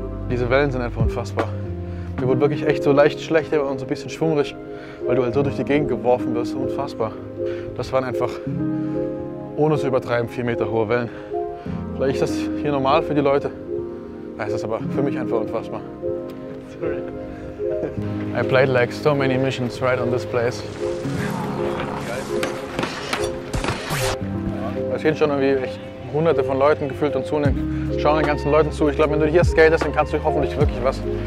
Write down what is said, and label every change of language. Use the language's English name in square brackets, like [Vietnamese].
[German] Diese Wellen sind einfach unfassbar. Mir wurde wirklich echt so leicht schlecht und so ein bisschen schwummrig, weil du halt so durch die Gegend geworfen wirst, unfassbar. Das waren einfach, ohne zu übertreiben, 4 Meter hohe Wellen. Vielleicht ist das hier normal für die Leute, das ist aber für mich einfach unfassbar. Sorry. [English] I played like so many missions right on this place. [German] Da stehen schon irgendwie echt hunderte von Leuten gefühlt und zunehmend. Schauen den ganzen Leuten zu. Ich glaube, wenn du hier skatest, dann kannst du hoffentlich wirklich was.